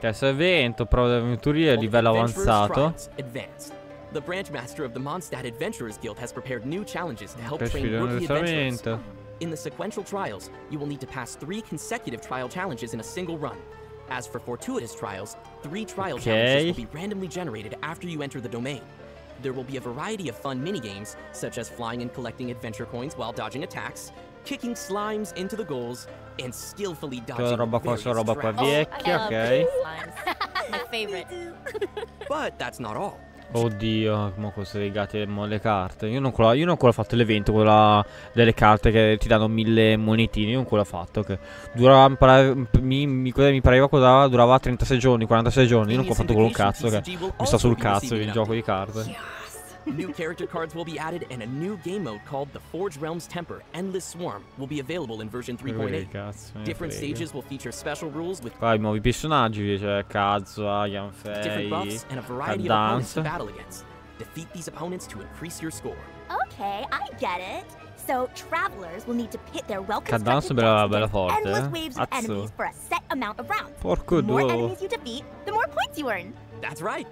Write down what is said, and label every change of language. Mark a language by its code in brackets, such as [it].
[it] Terzo evento, prova d'avventuria, livello avanzato. [en] The branch master of the Mondstadt Adventurers Guild has prepared new challenges to help train rookie adventurers. In the sequential trials, you will need to pass three consecutive trial challenges in a single run. As for fortuitous trials, three trial challenges will be randomly generated after you enter the domain. There will be a variety of fun minigames, such as flying and collecting adventure coins while dodging attacks, kicking slimes into the goals, and skillfully dodging various traps. Oh, my favorite. But that's not all. [it] Oddio, come cosa legate le carte. Io non quello ho fatto l'evento, quella delle carte che ti danno 1000 monetine. Io non quello ho fatto. Che durava, mi pareva durava 36 giorni, 46 giorni. Io non ho fatto quello cazzo. Che mi sta sul cazzo il gioco di carte. [en] New character cards will be added and a new game mode called the Forge Realms Temper Endless Swarm will be available in version 3.8. Different stages will feature special rules with [it] nuovi personaggi, cioè Kazuha, Yanfei, [en] and a variety of opponents to battle against. Defeat these opponents to increase your score. Okay, I get it. So travelers will need to pit their well-constructed [it] Porco [en] the more enemies you defeat, the more points you earn. That's right.